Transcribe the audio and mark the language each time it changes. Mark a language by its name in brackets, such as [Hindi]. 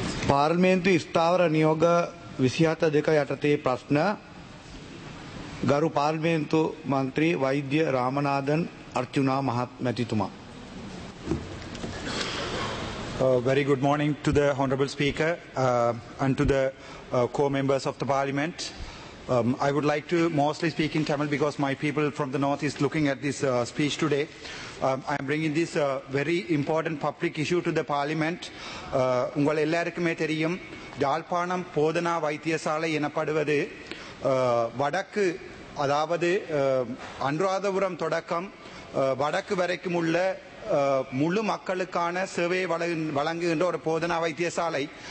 [Sinhala] පාර්ලිමේන්තු ස්ථාවර නියෝග 27 යටතේ ප්‍රශ්න ගරු පාර්ලිමේන්තු මන්ත්‍රී වෛද්‍ය Ramanathan අර්චුනා මහත්මැතිතුමා. [English] Very good morning to the Honorable Speaker and to the co-members of the Parliament. I would like to mostly speak in Tamil because my people from the North is looking at this speech today. I am bringing this very important public issue to the Parliament. [Tamil] உங்கள் எல்லாருக்குமே தெரியும் ஜாழ்ப்பாணம் போதனா வைத்தியசாலை எனப்படுவது வடக்கு அதாவது அனுராதபுரம் தொடக்கம் வடக்கு வரைக்கும் உள்ள முழு மக்களுக்கான சேவையை வழங்குகின்ற ஒரு போதனா வைத்தியசாலை.